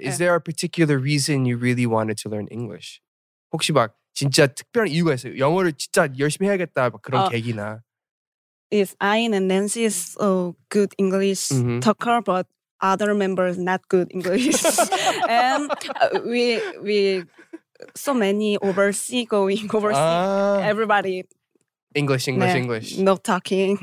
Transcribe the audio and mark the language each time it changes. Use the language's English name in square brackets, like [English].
[English] Is there a particular reason you really wanted to learn English? [Korean] 혹시 막 진짜 특별한 이유가 있어요? 영어를 진짜 열심히 해야겠다 막 그런 계기나. [English] Yes, I and Nancy is a good English mm-hmm. talker, but other members not good English. And we so many overseas. Everybody. English. No talking.